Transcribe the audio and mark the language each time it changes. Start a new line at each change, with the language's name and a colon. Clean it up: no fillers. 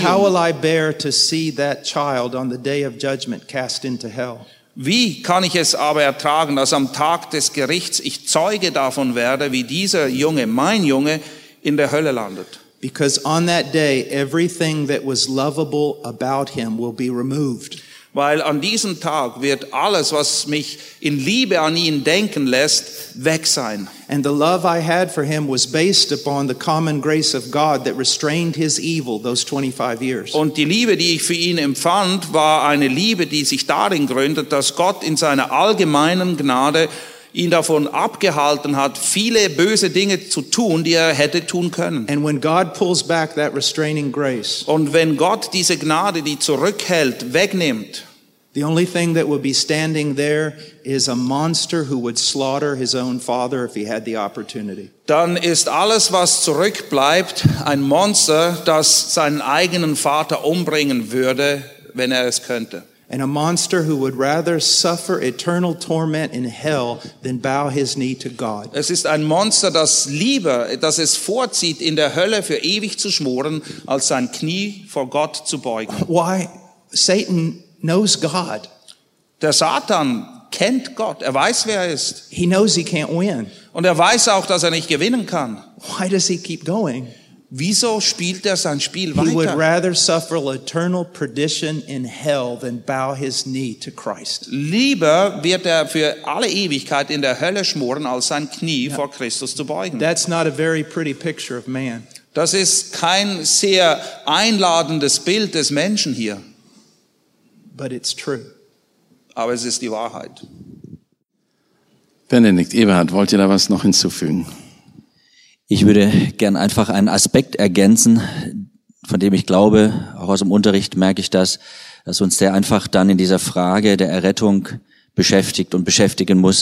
English: So how will I bear to see that child on the day of judgment cast into hell?
German: Wie kann ich es aber ertragen, dass am Tag des Gerichts ich Zeuge davon werde, wie dieser Junge, mein Junge, in der Hölle landet?
English: Because on that day, everything that was lovable about him will be removed.
German: weil an diesem Tag wird alles, was mich in Liebe an ihn denken lässt, weg sein.
English: And the love I had for him was based upon the common grace of God that restrained his evil those 25 years.
German: Und die Liebe, die ich für ihn empfand, war eine Liebe, die sich darin gründet, dass Gott in seiner allgemeinen Gnade ihn davon abgehalten hat, viele böse Dinge zu tun, die er hätte tun können.
English: And when God pulls back that restraining grace,
German: und wenn Gott diese Gnade, die zurückhält, wegnimmt,
English: the only thing that would be standing there is a monster who would slaughter his own father if he had the opportunity.
German: Dann ist alles, was zurückbleibt, ein Monster, das seinen eigenen Vater umbringen würde, wenn er es könnte.
English: And a monster who would rather suffer eternal torment in hell than bow his knee to God.
German: Es ist ein Monster, das lieber, das es vorzieht, in der Hölle für ewig zu schmoren, als sein Knie vor Gott zu beugen.
English: Why? Satan knows God.
German: Der Satan kennt Gott. Er weiß, wer er ist.
English: He knows he can't win.
German: Und er weiß auch, dass er nicht gewinnen kann.
English: Why does he keep going?
German: Wieso spielt er sein Spiel weiter?
English: He would rather suffer eternal perdition in hell than bow his knee to Christ.
German: Lieber wird er für alle Ewigkeit in der Hölle schmoren, als sein Knie vor Christus zu beugen.
English: That's not a very pretty picture of man.
German: Das ist kein sehr einladendes Bild des Menschen hier.
English: But it's true.
German: Aber es ist die Wahrheit. Benedikt, Eberhard, wollt ihr da was noch hinzufügen? Ich würde gern einfach einen Aspekt ergänzen, von dem ich glaube, auch aus dem Unterricht merke ich das, dass uns der einfach dann in dieser Frage der Errettung beschäftigt und beschäftigen muss.